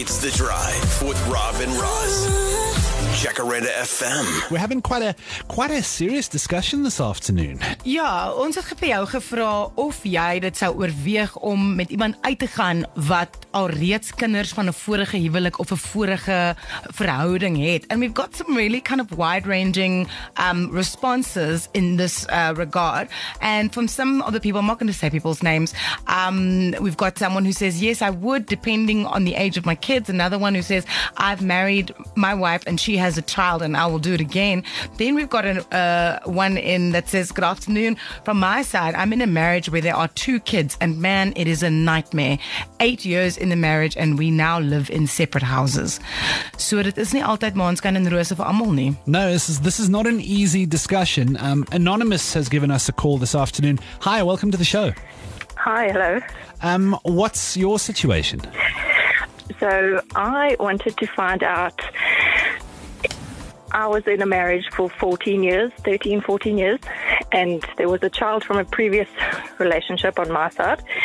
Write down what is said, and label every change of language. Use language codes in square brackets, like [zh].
[en] It's The Drive with Rob and Roz. Jacaranda FM. We're having quite a serious discussion this afternoon. [af] Ja, ons het vir jou gevra of jy dit sou oorweeg om met iemand uit te gaan wat alreeds kinders van 'n vorige huwelik of 'n vorige verhouding het. [en] And we've got some really kind of wide-ranging responses in this regard. And from some of the people, I'm not going to say people's names, we've got someone who says, yes, I would, depending on the age of my kids. Another one who says, I've married my wife and she has a child and I will do it again. Then we've got one in that says, good afternoon. From my side, I'm in a marriage where there are two kids and man, it is a nightmare. 8 years in the marriage and we now live in separate houses. [af] So dit is nie altyd maanskyn en rose vir almal nie. [en] No, this is not an easy discussion. Anonymous has given us a call this afternoon. Hi, welcome to the show. Hi, hello. What's your situation? So I wanted to find out, I was in a marriage for 13, 14 years, and there was a child from a previous relationship on my side.